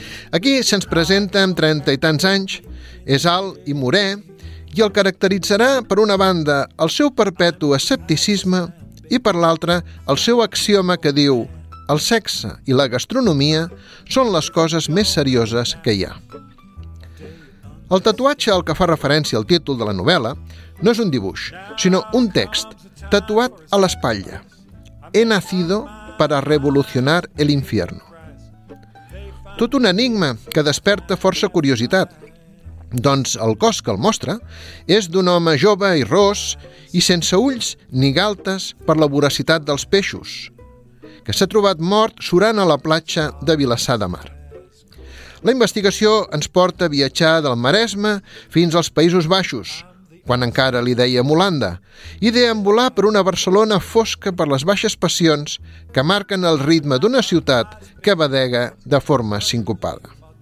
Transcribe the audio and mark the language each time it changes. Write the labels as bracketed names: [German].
[Catalan] Aquí se'ns presenta amb 30 i tants anys, és alt i morè, i el caracteritzarà, per una banda, el seu perpetu escepticisme i, per l'altra, el seu axioma que diu «El sexe i la gastronomia són les coses més serioses que hi ha». El tatuatge al que fa referència el títol de la novel·la no és un dibuix, sinó un text tatuat a l'espatlla. [Spanish] «He nacido para revolucionar el infierno». [Catalan] Tot un enigma que desperta força curiositat. Doncs el cos que el mostra és d'un home jove i ros i sense ulls ni galtes per la voracitat dels peixos, que s'ha trobat mort surant a la platja de Vilassar de Mar. La investigació ens porta a viatjar del Maresme fins als Països Baixos, quan encara li dèiem Holanda, i deambular per una Barcelona fosca per les baixes passions que marquen el ritme d'una ciutat que badega de forma sincopada.